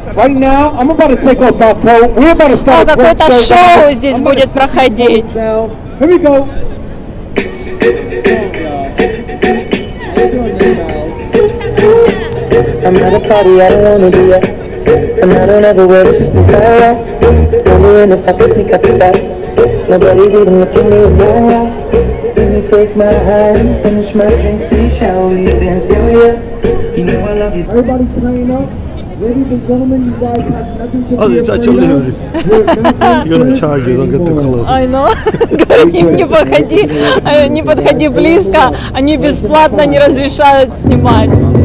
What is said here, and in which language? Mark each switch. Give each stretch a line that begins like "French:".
English: Right now, I'm about to take off my coat. We're about to start.
Russian: О, какое-то шоу здесь будет проходить.
English: Here we go. I'm at a party I don't wanna be at, and I don't ever wear this tie. Wondering if I can sneak up the back. Nobody's even looking me in the eye. Take my hand, finish my drink, see, shall we dance? Oh yeah, you know I love you. Everybody train up. Ladies and gentlemen, you guys have nothing to do with it. You're gonna charge, you don't get too close. I know.
Russian: Говорит, не подходи близко, они бесплатно не разрешают снимать.